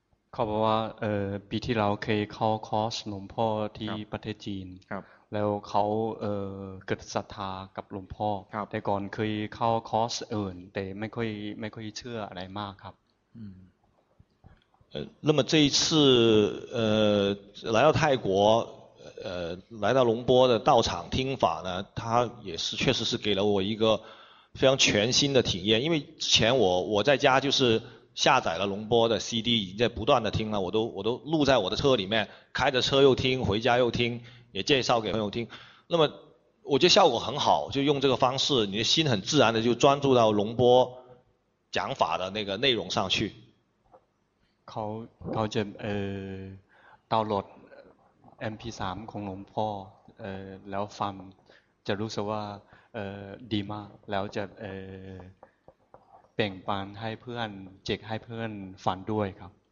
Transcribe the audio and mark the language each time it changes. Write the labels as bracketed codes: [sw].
[th] เขาบอกว่าปีที่เราเคยเข้าคอร์สหลวงพ่อที่ประเทศจีน ครับ แล้วเขาเกิดศรัทธากับหลวงพ่ อแต่ก่อนเคยเข้าคอร์สอื่นแต่ไม่ค่อยเชื่ออะไรมากครับ [zh] 那么这一次来到泰国来到龙波的道场听法呢，他也是确实是给了我一个非常全新的体验。因为之前我在家就是下载了龙波的 CD， 已经在不断的听了，我都录在我的车里面，开着车又听，回家又听，也介绍给朋友听。那么我觉得效果很好，就用这个方式，你的心很自然的就专注到龙波讲法的那个内容上去。 [th] เขาจะดาวน์โหลด MP3 ของหลวงพ่อแล้วฟังจะรู้สึกว่าดีมากแล้วจะแบ่งปันให้เพื่อนเจกให้เพื่อนฟังด้วยครับ